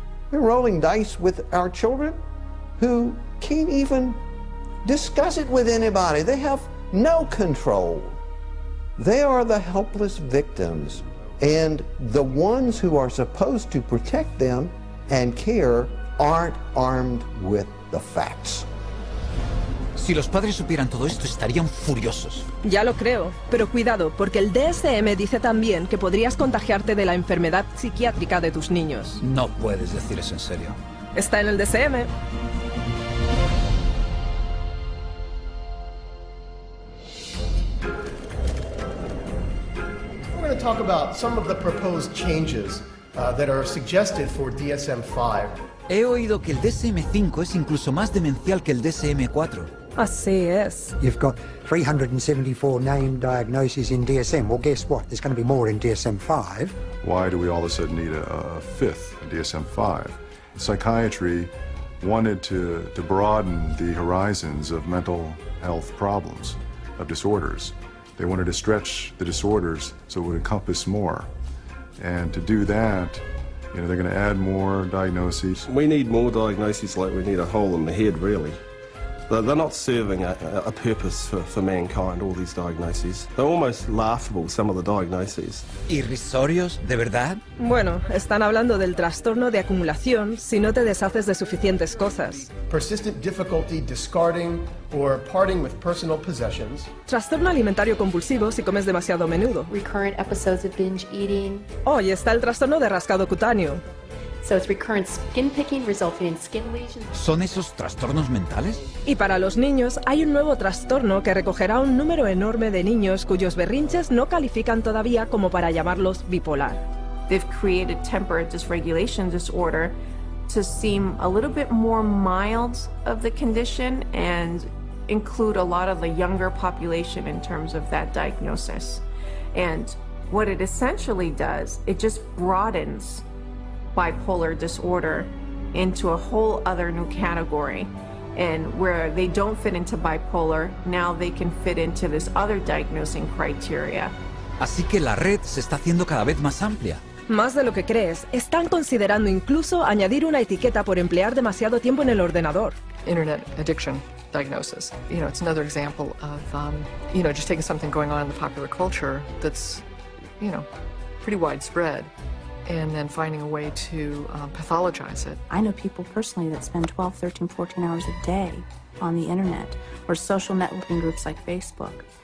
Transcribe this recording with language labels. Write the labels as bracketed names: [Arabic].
[English] We're rolling dice with our children who can't even discuss it with anybody. They have no control. They are the helpless victims. And the ones who are supposed to protect them and care aren't armed with the facts. [Spanish] Si los padres supieran todo esto, estarían furiosos. Ya lo creo, pero cuidado, porque el DSM dice también que podrías contagiarte de la enfermedad psiquiátrica de tus niños. No puedes decir eso en serio. está en el DCM. [English] We're going to talk about some of the proposed changes that are suggested for DSM-5. [Spanish] He oído que el DSM-5 es incluso más demencial que el DSM-4. Así es. [English] You've got 374 named diagnoses in DSM. Well, guess what? There's going to be more in DSM-5. Why do we all of a sudden need a fifth DSM-5? Psychiatry wanted to broaden the horizons of mental health problems, of disorders. They wanted to stretch the disorders so it would encompass more. And to do that, you know, they're going to add more diagnoses. We need more diagnoses like we need a hole in the head, really. They're not serving a purpose for mankind, all these diagnoses. They're almost laughable, some of the diagnoses. [Spanish] ¿Irrisorios, de verdad? Bueno, están hablando del trastorno de acumulación si no te deshaces de suficientes cosas. [English] Persistent difficulty discarding or parting with personal possessions. [Spanish] Trastorno alimentario compulsivo si comes demasiado a menudo. [English] Recurrent episodes of binge eating. [Spanish] Oh, y está el trastorno de rascado cutáneo. [English] So it's recurrent skin picking resulting in skin lesions. [Spanish] ¿Son esos trastornos mentales? Y para los niños hay un nuevo trastorno que recogerá un número enorme de niños cuyos berrinches no califican todavía como para llamarlos bipolar. [English] They've created temper dysregulation disorder to seem a little bit more mild of the condition and include a lot of the younger population in terms of that diagnosis. And what it essentially does, it just broadens bipolar disorder into a whole other new category, and where they don't fit into bipolar, now they can fit into this other diagnosing criteria. [Spanish] Así que la red se está haciendo cada vez más amplia. Más de lo que crees, están considerando incluso añadir una etiqueta por emplear demasiado tiempo en el ordenador. [English] Internet addiction diagnosis. You know, it's another example of, you know, just taking something going on in the popular culture that's, you know, pretty widespread. And then finding a way to pathologize it. I know people personally that spend 12, 13, 14 hours a day on the internet or social networking groups like Facebook.